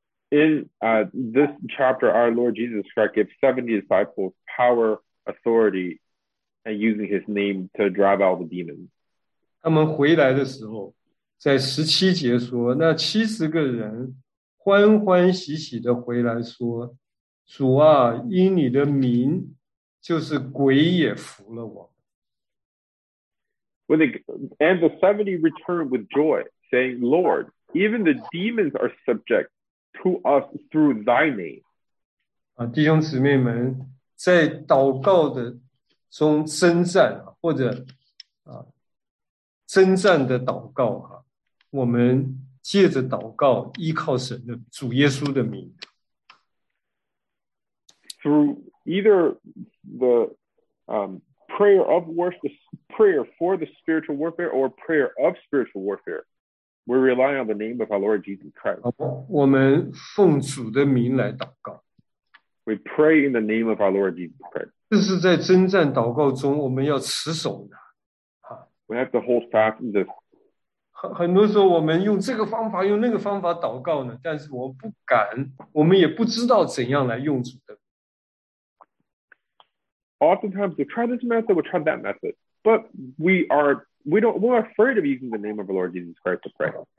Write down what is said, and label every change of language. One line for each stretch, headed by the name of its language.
English: In this chapter, our Lord Jesus Christ gives 70 disciples power, authority, and using his name to drive out the demons.
Chinese: 他们回来的时候，在十七节说，那七十个人欢欢喜喜地回来说，主啊，因你的名，就是鬼也服了我。
English: And the 70 returned with joy, saying, Lord, even the demons are subject to us through thy name.
Chinese: 弟兄姊妹们，在祷告的中征战，或者征战的祷告，我们借着祷告依靠神的主耶稣的名。
English: Through either the prayer of worship, prayer for the spiritual warfare or prayer of spiritual warfare, we rely on the name of our Lord Jesus Christ.
Chinese: 我们奉主的名来祷告。
English: We pray in the name of our Lord Jesus Christ.
Chinese: 这是在征战祷告中我们要持守的。
English: We have to hold fast in this.
Chinese: 很多时候我们用这个方法用那个方法祷告呢，但是我不敢，我们也不知道怎样来用主的。
English: Oftentimes, we try this method, we try that method. But we're afraid of using the name of the Lord Jesus Christ to pray.